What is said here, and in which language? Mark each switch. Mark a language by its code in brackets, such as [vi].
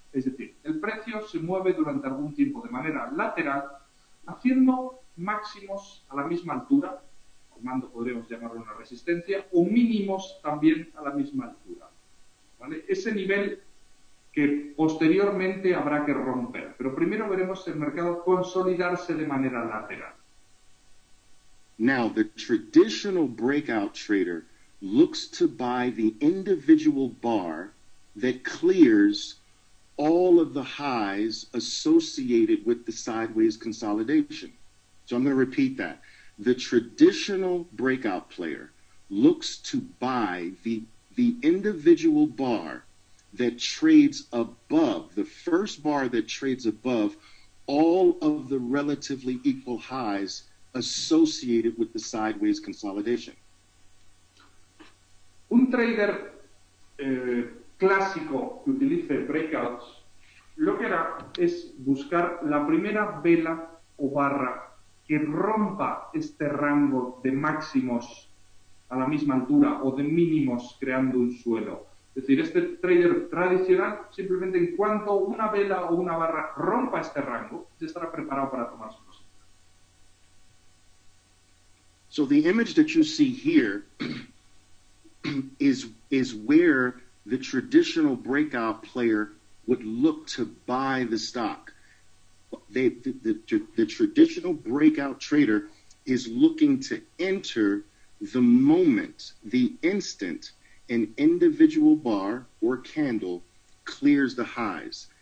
[es] Es decir, el precio se mueve durante algún tiempo de manera lateral, haciendo máximos a la misma altura, formando, podríamos llamarlo una resistencia, o mínimos también a la misma altura. ¿Vale? Ese nivel que posteriormente habrá que romper, pero primero veremos el mercado consolidarse de manera lateral. [en] Now, the traditional breakout trader looks to buy the individual bar that clears all of the highs associated with the sideways consolidation. So I'm going to repeat that. The traditional breakout player looks to buy the individual bar that trades above, the first bar that trades above all of the relatively equal highs associated with the sideways consolidation. [es] Un trader clásico que utilice breakouts lo que hará es buscar la primera vela o barra que rompa este rango de máximos a la misma altura o de mínimos creando un suelo. Es decir, este trader tradicional, simplemente en cuanto una vela o una barra rompa este rango, ya estará preparado para tomar su posición. [en] So the image that you see here is where the traditional breakout player would look to buy the stock. The traditional breakout trader is looking to enter the moment, the instant, an individual bar or candle clears the highs.